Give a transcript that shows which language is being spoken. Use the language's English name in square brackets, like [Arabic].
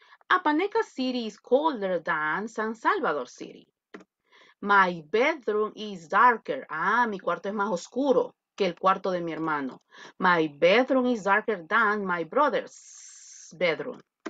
[English] Apaneca City is colder than San Salvador City. My bedroom is darker. [Spanish] Ah, mi cuarto es más oscuro que el cuarto de mi hermano. [English] My bedroom is darker than my brother's bedroom.